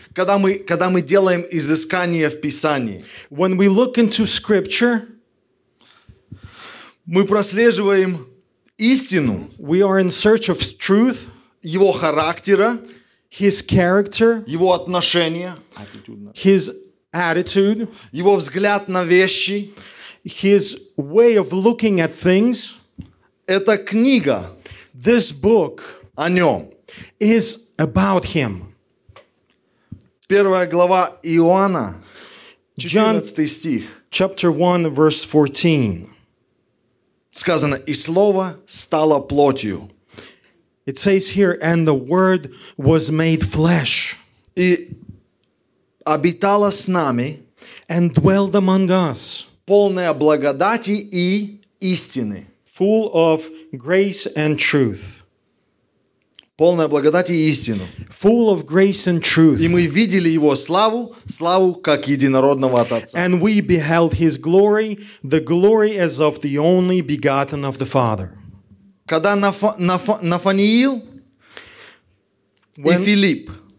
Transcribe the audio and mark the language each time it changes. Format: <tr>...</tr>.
<ru>когда мы делаем изыскание в Писании.</ru> <en>When we look into scripture,</en> <ru>мы прослеживаем истину,</ru> <en>we are in search of truth,</en> <ru>его характера,</ru> <en>his character,</en> <ru>его отношения,</ru> <en>his attitude,</en> <ru>его взгляд на вещи,</ru> <en>his way of looking at things.</en> <ru>Эта книга,</ru> <en>this book,</en> <ru>о нем,</ru> <en>is about him.</en> <ru>Первая глава Иоанна, 14 стих,</ru> <en>chapter 1, verse 14.</en> <ru>Сказано, и слово стало плотью.</ru> <en>It says here, and the word was made flesh.</en> <ru>И обитала с нами,</ru> <en>and dwelled among us,</en> <ru>полная благодати и истины.</ru> <en>Full of grace and truth.</en> <ru>Полная благодати и истину.</ru> <en>Full of grace and truth.</en> <ru>И мы видели его славу, славу как единородного от Отца.</ru> <en>And we beheld his glory, the glory as of the only begotten of the Father.</en> <ru>Когда Нафаниил и Филипп</ru>